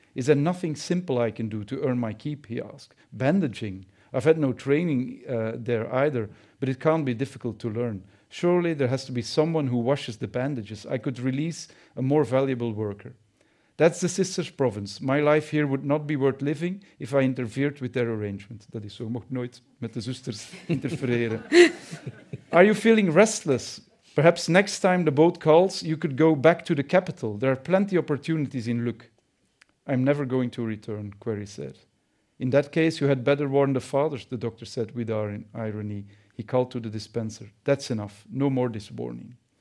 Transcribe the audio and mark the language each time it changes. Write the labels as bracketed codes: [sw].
[en] Is there nothing simple I can do to earn my keep, he asked. Bandaging. I've had no training there either, but it can't be difficult to learn. Surely there has to be someone who washes the bandages. I could release a more valuable worker. That's the sister's province. My life here would not be worth living if I interfered with their arrangement. [nl] Dat is zo, mocht nooit met de zusters interfereren. [en] Are you feeling restless? Perhaps next time the boat calls, you could go back to the capital. There are plenty of opportunities in Luc. I'm never going to return, Query said. In that case, you had better warn the fathers, the doctor said with irony. He called to the dispenser. That's enough. No more this warning.